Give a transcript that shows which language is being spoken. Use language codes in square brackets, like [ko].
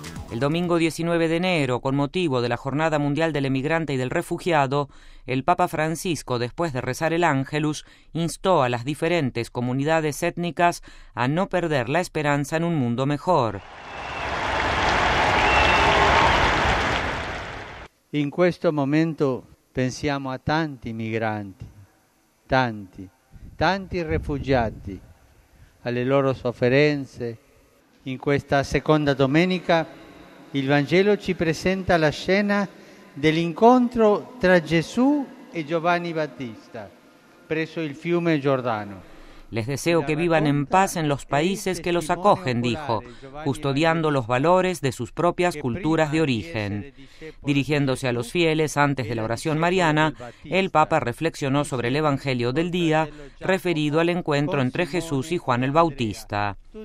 [es] El domingo 19 de enero, con motivo de la Jornada Mundial del Emigrante y del Refugiado, el Papa Francisco, después de rezar el Ángelus, instó a las diferentes comunidades étnicas a no perder la esperanza en un mundo mejor. En este momento [it] pensiamo a tanti migranti, tanti, tanti rifugiati, alle loro sofferenze. In questa seconda domenica il Vangelo ci presenta la scena dell'incontro tra Gesù e Giovanni Battista presso il fiume Giordano. [es] Les deseo que vivan en paz en los países que los acogen, dijo, custodiando los valores de sus propias culturas de origen. Dirigiéndose a los fieles antes de la oración mariana, el Papa reflexionó sobre el Evangelio del día, referido al encuentro entre Jesús y Juan el Bautista.